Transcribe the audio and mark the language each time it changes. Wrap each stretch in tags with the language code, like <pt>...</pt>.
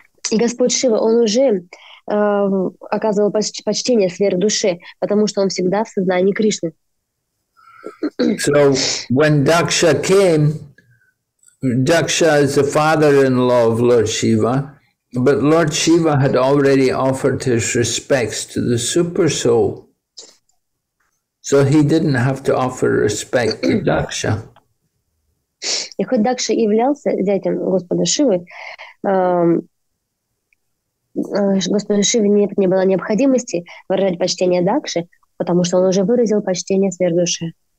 <ru>И Господь Шива, он уже оказывал почтение сверх души, потому что он всегда в сознании Кришны.</ru> <en>So when Daksha came, Daksha is the father-in-law of Lord Shiva, but Lord Shiva had already offered his respects to the super soul, so he didn't have to offer respect to Daksha.</en> <ru>И хоть Дакша являлся зятем Господа Шивы, Господа Шивы не было необходимости выражать почтение Дакше, потому что он уже выразил почтение сверх души.</ru>